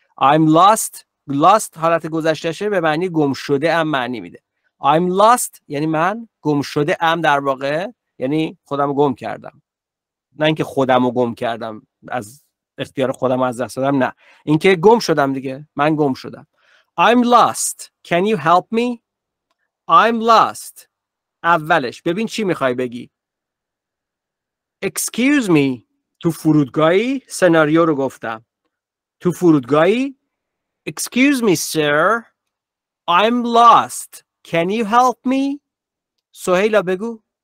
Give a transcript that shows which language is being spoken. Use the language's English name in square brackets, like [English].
[English] I'm lost، [Persian] lost حالت گذشته به معنی گم شده ام معنی میده. [English] I'm lost [Persian] یعنی من گم شده ام در واقع، یعنی خودم رو گم کردم، نه اینکه خودم رو گم کردم از اختیار خودم از دست دادم، نه اینکه گم شدم دیگه، من گم شدم. [English] I'm lost، can you help me؟ I'm lost. [Persian] اولش ببین چی میخوای بگی. [English] Excuse me، [Persian] تو فرودگاهی سناریو رو گفتم، تو فرودگاهی [English] Excuse me sir، I'm lost، can you help me؟ [Persian] سهیلا بگو.